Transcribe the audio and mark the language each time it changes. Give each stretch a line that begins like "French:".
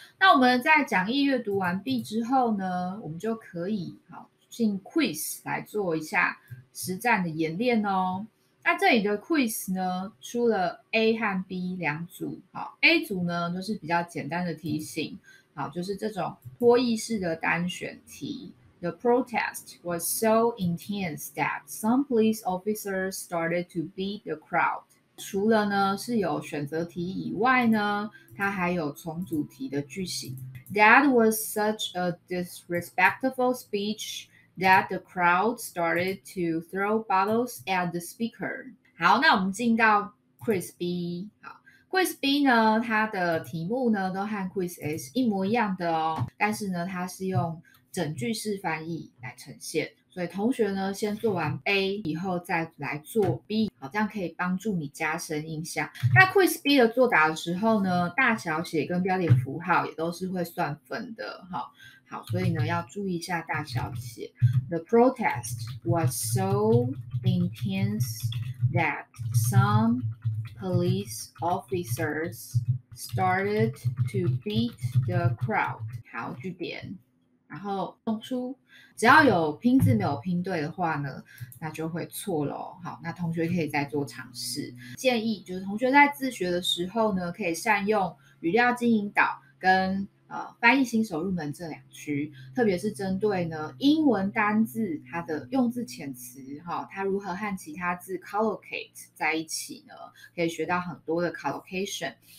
Chinese: 那我们在讲义阅读完毕之后呢，我们就可以进 quiz 来做一下实战的演练哦。那这里的 quiz 呢，出了 A 和 B 两组。好 ，A 组呢就是比较简单的题型，好，就是这种脱衣式的单选题。
English: The protest was so intense that some police officers started to beat the crowd.
Chinese: 除了呢是有选择题以外呢，它还有重组题的句型。
English: That was such a disrespectful speech that the crowd started to throw bottles at the speaker.
Chinese: 好，那我们进到 Quiz B。好 ，Quiz B 呢，它的题目呢都和 Quiz A 是一模一样的哦，但是呢，它是用整句式翻译来呈现，所以同学呢先做完 A 以后再来做 B， 好，这样可以帮助你加深印象。那 quiz B 的作答的时候呢，大小写跟标点符号也都是会算分的，好，好，所以呢要注意一下大小写。
English: The protest was so intense that some police officers started to beat the crowd.
Chinese: 好，句点，然后送出，只要有拼字没有拼对的话呢，那就会错咯。好，那同学可以再做尝试。建议就是同学在自学的时候呢，可以善用语料经营导跟翻译新手入门这两区，特别是针对呢英文单字它的用字遣词，它如何和其他字 collocate 在一起呢，可以学到很多的 collocation。